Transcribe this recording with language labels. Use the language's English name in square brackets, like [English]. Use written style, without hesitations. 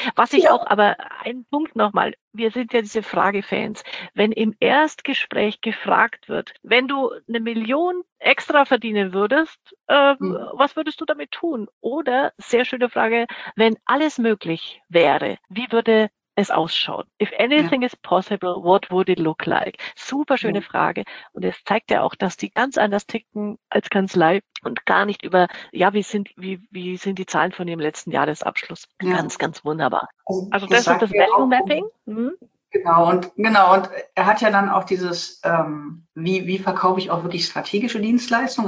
[German] Was ich auch, aber einen Punkt nochmal, wir sind ja diese Fragefans. Wenn im Erstgespräch gefragt wird, wenn du 1 Million extra verdienen würdest, was würdest du damit tun? Oder, sehr schöne Frage, wenn alles möglich wäre, wie würde es ausschaut. [English] If anything is possible, what would it look like? [German] Superschöne Frage. Und es zeigt ja auch, dass die ganz anders ticken als Kanzlei und gar nicht über, wie sind die Zahlen von ihrem letzten Jahresabschluss. Ja. Ganz, ganz wunderbar. Also das ist das Value Mapping. Genau, und er hat ja dann auch dieses, wie verkaufe ich auch wirklich strategische Dienstleistungen?